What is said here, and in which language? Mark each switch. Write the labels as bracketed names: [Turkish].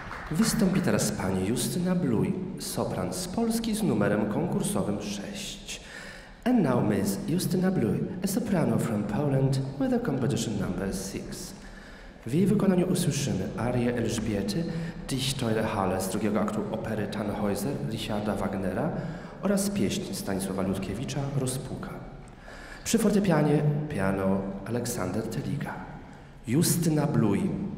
[Polish] Wystąpi teraz pani Justyna Bluj, sopran z Polski z numerem konkursowym 6. [English] And now Miss Justyna Bluj, a soprano from Poland with a competition number 6. [Polish] W jej wykonaniu usłyszymy arię Elżbiety, Dich teure Halle z drugiego aktu opery Tannhäuser Richarda Wagnera oraz pieśń Stanisława Ludkiewicza Rozpuka. Przy fortepianie piano Aleksander Teliga. Justyna Bluj.